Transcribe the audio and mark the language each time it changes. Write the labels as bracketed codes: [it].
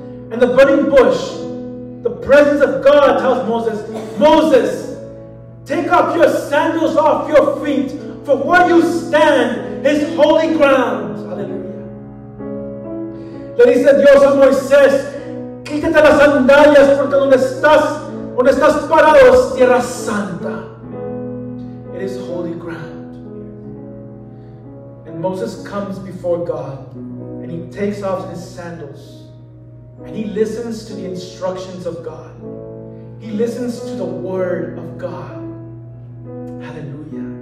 [en] And the burning bush, the presence of God tells Moses, take off your sandals off your feet, for where you stand is holy ground. Hallelujah. [es] Le dice Dios a Moisés, quítate las sandalias porque donde estás parado es tierra santa. [en] It is holy ground. Moses comes before God and he takes off his sandals and he listens to the instructions of God. He listens to the word of God. Hallelujah.